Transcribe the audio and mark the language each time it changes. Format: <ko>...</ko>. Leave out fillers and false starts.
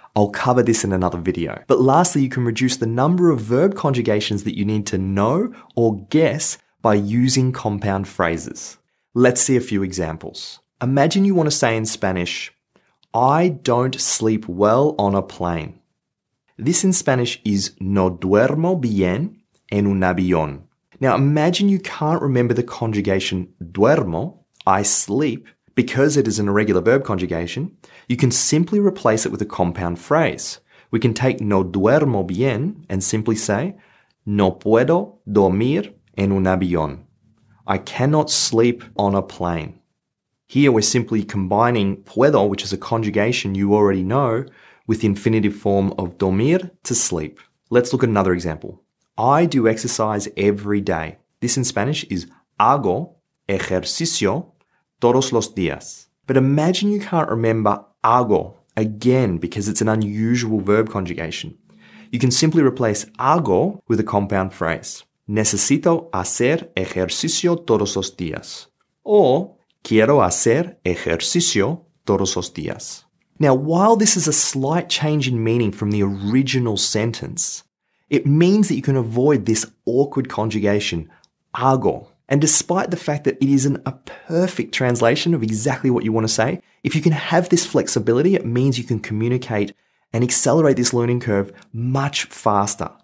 <en>I'll cover this in another video. But lastly, you can reduce the number of verb conjugations that you need to know or guess by using compound phrases. Let's see a few examples. Imagine you want to say in Spanish, I don't sleep well on a plane. This in Spanish is</en> <es>no duermo bien en un avión.</es> <en>Now imagine you can't remember the conjugation duermo, I sleep, because it is an irregular verb conjugation. You can simply replace it with a compound phrase. We can take</en> <es>no duermo bien</es> <en>and simply say,</en> <es>no puedo dormir en un avión.</es> <en>I cannot sleep on a plane. Here we're simply combining puedo, which is a conjugation you already know, with the infinitive form of dormir, to sleep. Let's look at another example. I do exercise every day. This in Spanish is</en> <es>hago ejercicio todos los días.</es> <en>But imagine you can't remember hago again, because it's an unusual verb conjugation. You can simply replace hago with a compound phrase.</en> <es>Necesito hacer ejercicio todos los días. Or, quiero hacer ejercicio todos los días.</es> <en>Now, while this is a slight change in meaning from the original sentence, it means that you can avoid this awkward conjugation, hago. And despite the fact that it isn't a perfect translation of exactly what you want to say, if you can have this flexibility, it means you can communicate and accelerate this learning curve much faster.</en>